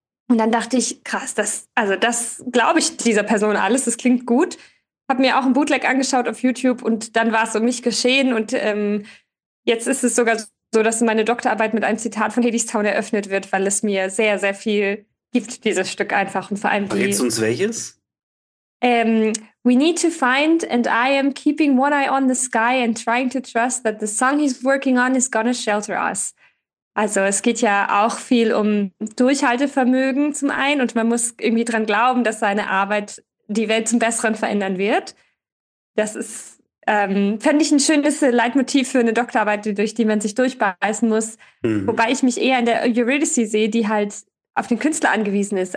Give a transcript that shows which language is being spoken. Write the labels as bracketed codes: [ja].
[de] Und dann dachte ich, krass, also das glaube ich dieser Person alles, das klingt gut. Habe mir auch ein Bootleg angeschaut auf YouTube und dann war es um mich geschehen. Und jetzt ist es sogar so, dass meine Doktorarbeit mit einem Zitat von Hadestown eröffnet wird, weil es mir sehr, sehr viel gibt, dieses Stück einfach. Und vor allem Verrätst du die uns welches? [en] We need to find and I am keeping one eye on the sky and trying to trust that the song he's working on is gonna shelter us. [de] Also es geht ja auch viel um Durchhaltevermögen zum einen und man muss irgendwie dran glauben, dass seine Arbeit die Welt zum Besseren verändern wird. Das ist, fände ich ein schönes Leitmotiv für eine Doktorarbeit, durch die man sich durchbeißen muss. Wobei ich mich eher in der Eurydice sehe, die halt auf den Künstler angewiesen ist.